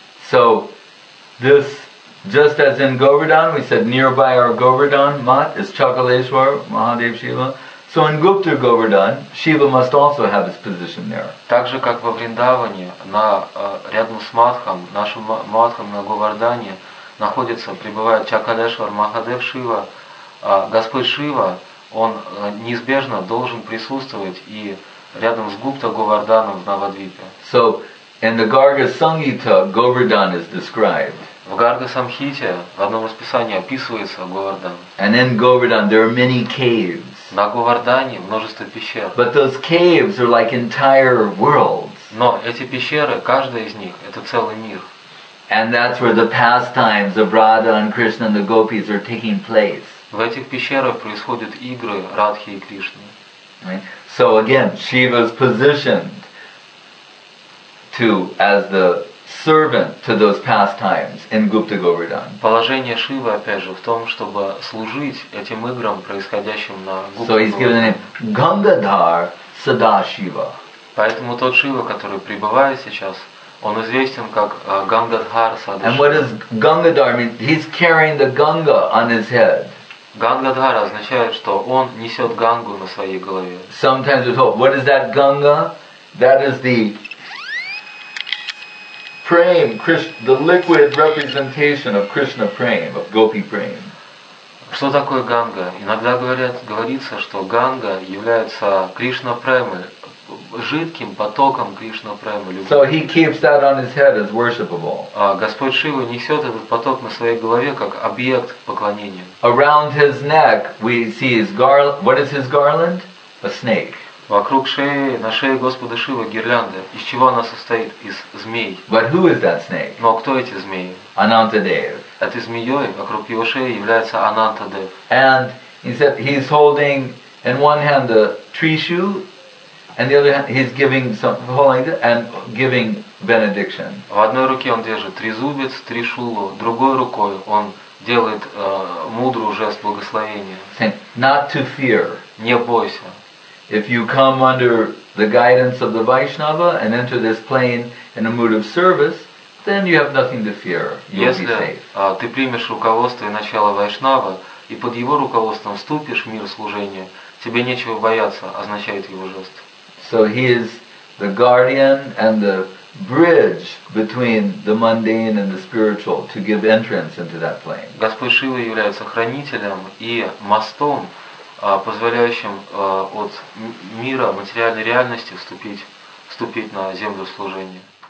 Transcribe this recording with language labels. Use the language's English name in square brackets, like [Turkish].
[English] So this, just as in Govardhan, we said nearby our Govardhan Mat is Chakaleshwar, Mahadev Shiva. So in Gupta Govardhan, Shiva must also have his position there. [Russian] Также как во Вриндаване, рядом с Матхом, нашим Матхом на Говардане, находится, пребывает Чакалешвар Махадев Шива, Господь Шива, он неизбежно должен присутствовать и рядом с Гупта Говарданом в Навадвипе. [English] So, in the Garga Sanghita, Govardhan is described. [Russian] В Гарга Самхите в одном из писаний описывается Говардан. [English] And in Govardhan, there are many caves. [Russian] На Говардане множество пещер. [English] But those caves are like entire worlds. [Russian] Но эти пещеры, каждая из них, это целый мир. [English] And that's where the pastimes of Radha and Krishna and the gopis are taking place. [Russian] В этих пещерах происходят игры Радхи и Кришны. [English] So again, Shiva is positioned to as the servant to those pastimes in Gupta Govardhan. [Russian] Положение Шивы опять же в том, чтобы служить этим играм, происходящим на Гупте Говардане. [English] So he's given the name Gangadhar Sadashiva. [Russian] Поэтому тот Шива, который пребывает сейчас, он известен как Гангадхар Садашива. [English] And what does Gangadhar mean? He's carrying the Ganga on his head. [Russian] Гангадхар означает, что он несет Гангу на своей голове. [English] Sometimes we're told, what is that Ganga? That is the Prem, the liquid representation of Krishna Prem, of Gopi Prem. [Russian] Что такое Ганга? Иногда говорится, что Ганга является Кришна Премой, жидким потоком Кришна Премы. [English] So he keeps that on his head as worshipable. [Russian] Господь Шива несет этот поток на своей голове как объект поклонения. [English] Around his neck we see his garland. What is his garland? A snake. [Russian] Вокруг шеи, на шее Господа Шивы гирлянда. Из чего она состоит? Из змей. [English] But who is that snake? [Russian] Но кто эти змеи? Анантадев. Этой змеей вокруг его шеи является Анантадев. [English] And he said he's holding in one hand a trishu, and the other hand he's giving some holding and giving benediction. [Russian] В одной руке он держит трезубец, тришулу, другой рукой он делает мудрый жест благословения. [English] Not to fear. [Russian] Не бойся. [English] If you come under the guidance of the Vaishnava and enter this plane in a mood of service, then you have nothing to fear. You'll be safe. [Russian] Если ты примешь руководство и начало Вайшнава и под его руководством вступишь в мир служения, тебе нечего бояться, означает его жест. [English] So he is the guardian and the bridge between the mundane and the spiritual to give entrance into that plane. [Russian] Господь Шива является хранителем и мостом, позволяющим от мира материальной реальности вступить на землю служения.